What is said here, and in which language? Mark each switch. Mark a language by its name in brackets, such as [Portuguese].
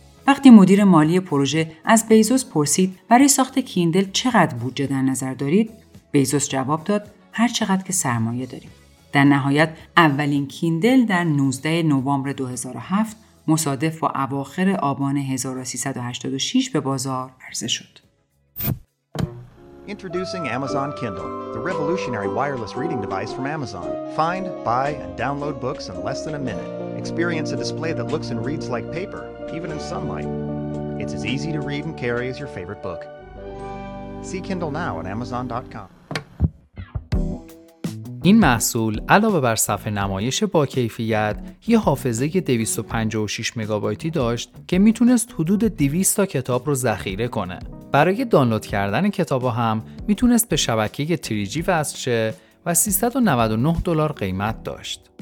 [Persian] وقتی مدیر مالی پروژه از بیزوس پرسید برای ساخت کیندل چقدر بودجه در نظر دارید، بیزوس جواب داد هر چقدر که سرمایه داریم. در نهایت اولین کیندل در 19 نوامبر 2007 مصادف با اواخر آبان 1386 به بازار عرضه شد. [English] Introducing Amazon Kindle, the revolutionary wireless reading device from Amazon. Find, buy and download books in less than a minute. Experience a display that looks and reads like paper, even in sunlight. It's as easy to read and carry as your favorite book. See Kindle now at amazon.com. [Persian] این محصول علاوه بر صفحه نمایش با کیفیت، یه حافظه 256 مگابایتی داشت که میتونست حدود 200 تا کتاب رو ذخیره کنه. برای دانلود کردن کتابا هم میتونست به شبکه 3G وصل شه و $399 قیمت داشت.